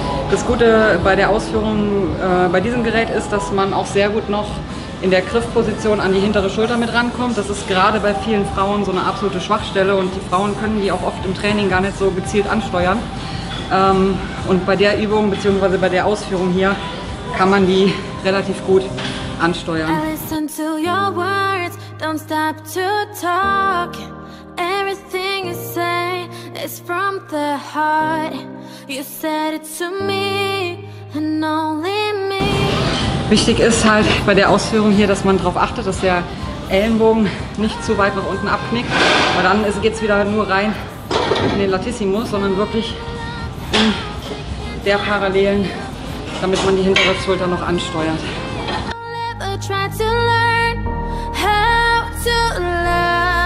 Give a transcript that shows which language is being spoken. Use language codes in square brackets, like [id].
[de] Das Gute bei der Ausführung bei diesem Gerät ist, dass man auch sehr gut noch in der Griffposition an die hintere Schulter mit rankommt. Das ist gerade bei vielen Frauen so eine absolute Schwachstelle und die Frauen können die auch oft im Training gar nicht so gezielt ansteuern. Und bei der Übung bzw. bei der Ausführung hier kann man die relativ gut ansteuern. [en] I listen to your words, don't stop to talk. Everything you say is from the heart. You said it to me and only me. [de] Wichtig ist halt bei der Ausführung hier, dass man darauf achtet, dass der Ellenbogen nicht zu weit nach unten abknickt. Weil dann geht es wieder nur rein in den Latissimus, sondern wirklich in der Parallelen, damit man die hintere Schulter noch ansteuert. [en] I'll never try to learn how to love.